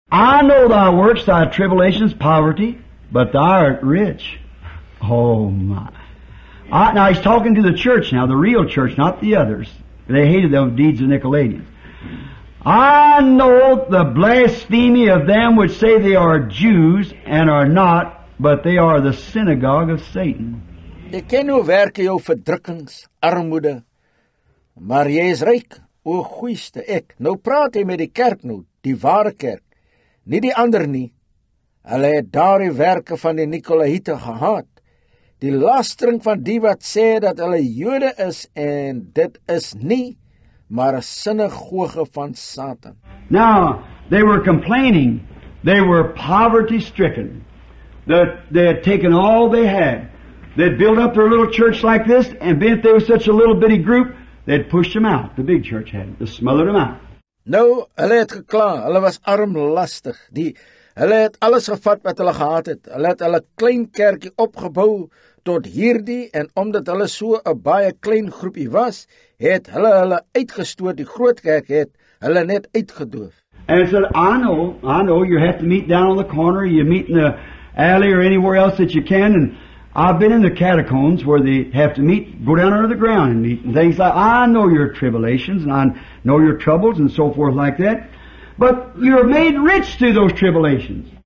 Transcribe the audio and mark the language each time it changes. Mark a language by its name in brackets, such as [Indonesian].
[English] I know thy works, thy tribulations, poverty, but thou art rich. Oh my. Now he's talking to the church now, the real church, not the others. They hated the deeds of Nicolaitans. I know the blasphemy of them which say they are Jews and are not, but they are the synagogue of Satan. [Afrikaans] Ek ken jou werke, jou verdrukkings, armoede, maar jy is ryk, o goeiste ek. Nou praat jy met die kerk nou, die ware kerk, nie die ander nie. Hulle het daar die werke van die Nicolaïte gehaat, die lastering van die wat sê dat hulle Jode is en dit is nie, maar een synagoge van Satan. [English] Now, they were complaining. They were poverty stricken. They had taken all they had. They'd built up their little church like this, and if they were such a little bitty group, they'd pushed them out. The big church had. They smothered them out. [Afrikaans] Nou, hulle het gekla. Hulle was armlastig. Hulle het alles gevat wat hulle gehad het. Hulle het hulle klein kerkie opgebouw tot hierdie, en omdat hulle so een baie klein groepie was, het hulle uitgestoot, die grootkerk het hulle net uitgedoof. [English] And said, I know, you have to meet down on the corner, you meet in the alley or anywhere else that you can, and I've been in the catacombs where they have to meet, go down under the ground and meet, and things like, I know your tribulations, and I know your troubles, and so forth like that, but you're made rich through those tribulations.